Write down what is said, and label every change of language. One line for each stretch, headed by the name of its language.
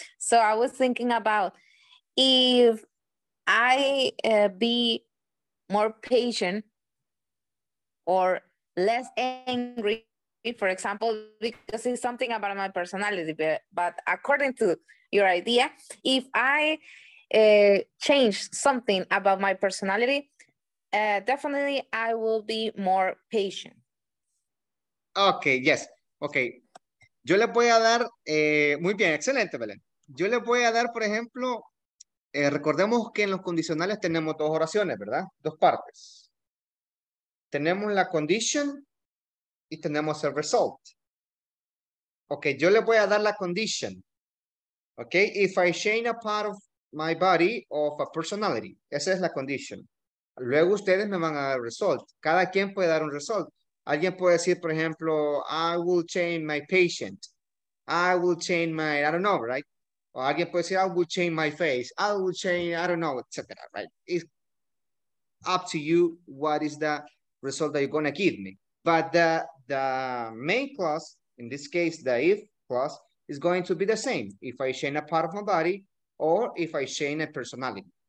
English: So I was thinking about if I be more patient or less angry, for example, because it's something about my personality, but according to your idea, if I change something about my personality, definitely I will be more patient. Okay, yes. Okay.
Spanish: Yo le voy a dar, muy bien, excelente, Belén. Yo le voy a dar, por ejemplo, recordemos que en los condicionales tenemos dos oraciones, ¿verdad? Dos partes. Tenemos la condition y tenemos el result. Okay, yo le voy a dar la condition. Okay,
English: if I change a part of my body of a personality.
Spanish: Esa es la condition. Luego ustedes me van a dar result. Cada quien puede dar un result. Alguien puede decir, por ejemplo,
English: I will change my patient. I will change my, I don't know, right? O alguien puede decir, I will change my face. I will change, I don't know, etc. Right? It's up to you what is the result that you're going to give me. But the main clause, in this case, the if clause, is going to be the same. If I change a part of my body, or if I change a personality.